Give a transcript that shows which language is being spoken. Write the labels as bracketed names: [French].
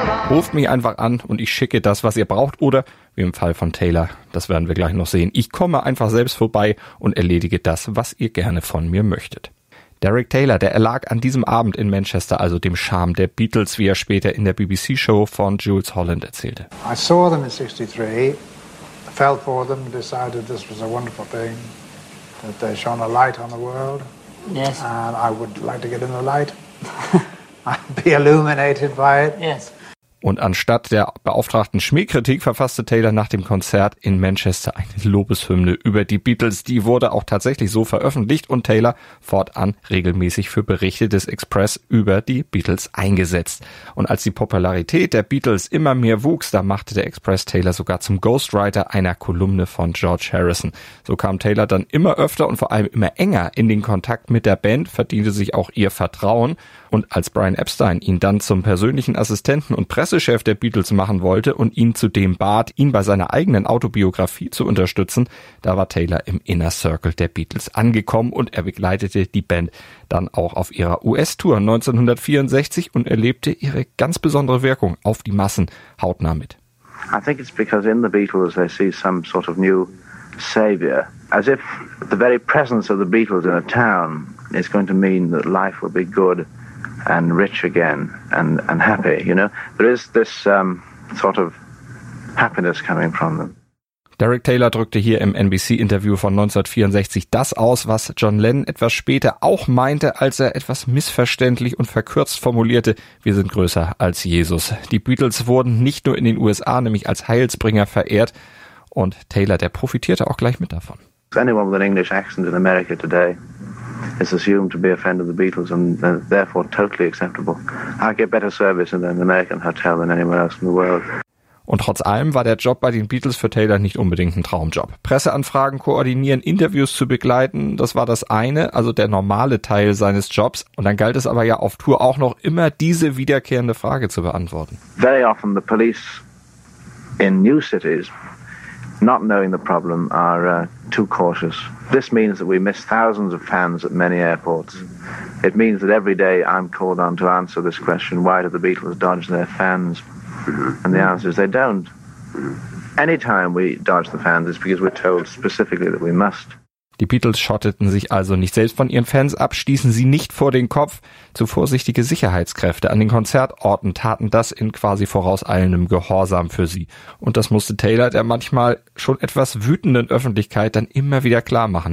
[German] Ruft mich einfach an und ich schicke das, was ihr braucht. Oder, wie im Fall von Taylor, das werden wir gleich noch sehen, ich komme einfach selbst vorbei und erledige das, was ihr gerne von mir möchtet. Derek Taylor, der erlag an diesem Abend in Manchester also dem Charme der Beatles, wie er später in der BBC-Show von Jules Holland erzählte. [English] I saw them in 63, fell for them, decided this was a wonderful thing, that they shone a light on the world. Yes. And I would like to get in the light. I'd be illuminated by it. Yes. [German] Und anstatt der beauftragten Schmähkritik verfasste Taylor nach dem Konzert in Manchester eine Lobeshymne über die Beatles. Die wurde auch tatsächlich so veröffentlicht und Taylor fortan regelmäßig für Berichte des Express über die Beatles eingesetzt. Und als die Popularität der Beatles immer mehr wuchs, da machte der Express Taylor sogar zum Ghostwriter einer Kolumne von George Harrison. So kam Taylor dann immer öfter und vor allem immer enger in den Kontakt mit der Band, verdiente sich auch ihr Vertrauen. Und als Brian Epstein ihn dann zum persönlichen Assistenten und Pressechef der Beatles machen wollte und ihn zudem bat, ihn bei seiner eigenen Autobiografie zu unterstützen, da war Taylor im Inner Circle der Beatles angekommen und er begleitete die Band dann auch auf ihrer US-Tour 1964 und erlebte ihre ganz besondere Wirkung auf die Massen hautnah mit. [English] I think it's because in the Beatles they see some sort of new savior, as if the very presence of the Beatles in a town is going to mean that life will be good and rich again and happy, you know. There is this sort of happiness coming from them. [German] Derek Taylor drückte hier im NBC-Interview von 1964 das aus, was John Lennon etwas später auch meinte, als er etwas missverständlich und verkürzt formulierte: Wir sind größer als Jesus. Die Beatles wurden nicht nur in den USA, nämlich als Heilsbringer, verehrt. Und Taylor, der profitierte auch gleich mit davon. [English] Anyone with an English accent in America today is assumed to be a friend of the Beatles and therefore totally acceptable. I get better service in an American hotel than anywhere else in the world. [German] Und trotz allem war der Job bei den Beatles für Taylor nicht unbedingt ein Traumjob. Presseanfragen koordinieren, Interviews zu begleiten, das war das eine, also der normale Teil seines Jobs. Und dann galt es aber ja auf Tour auch noch immer diese wiederkehrende Frage zu beantworten. [English] Very often the police in new cities, not knowing the problem, are too cautious. This means that we miss thousands of fans at many airports. It means that every day I'm called on to answer this question: why do the Beatles dodge their fans? And the answer is they don't. Anytime we dodge the fans, it's because we're told specifically that we must. [German] Die Beatles schotteten sich also nicht selbst von ihren Fans ab, stießen sie nicht vor den Kopf. Zu vorsichtige Sicherheitskräfte an den Konzertorten taten das in quasi vorauseilendem Gehorsam für sie. Und das musste Taylor der manchmal schon etwas wütenden Öffentlichkeit dann immer wieder klar machen.